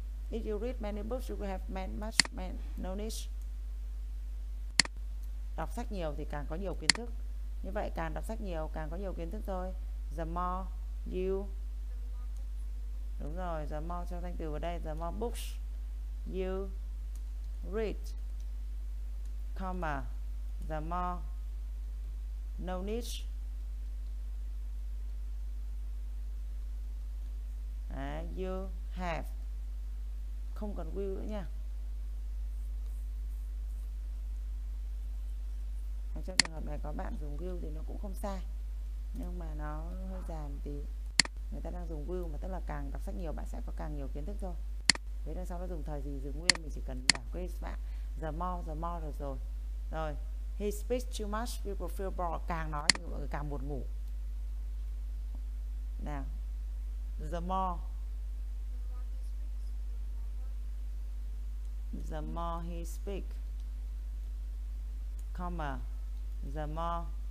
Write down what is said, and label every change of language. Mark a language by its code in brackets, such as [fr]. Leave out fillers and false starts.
[en] If you read many books, you will have many much knowledge. [vi] Đọc sách nhiều thì càng có nhiều kiến thức. Như vậy càng đọc sách nhiều càng có nhiều kiến thức thôi. [en] The more you. [vi] Đúng rồi, [en] the more [vi] cho danh từ vào đây, [en] the more books you read, comma, the more knowledge. [vi] Đấy, [en] you have. [vi] Không cần will nữa nha. Trong trường hợp này có bạn dùng will thì nó cũng không sai, nhưng mà nó hơi dài một tí. Người ta đang dùng will mà, tức là càng đọc sách nhiều bạn sẽ có càng nhiều kiến thức thôi. Thế là sau nó dùng thời gì giữ nguyên, mình chỉ cần bảo cái bạn [en] the more [vi] được rồi. [en] Rồi, he speaks too much, people feel bored. [vi] Càng nói thì mọi người càng buồn ngủ. [en] Nào, the more. The more he speaks, comma, the more.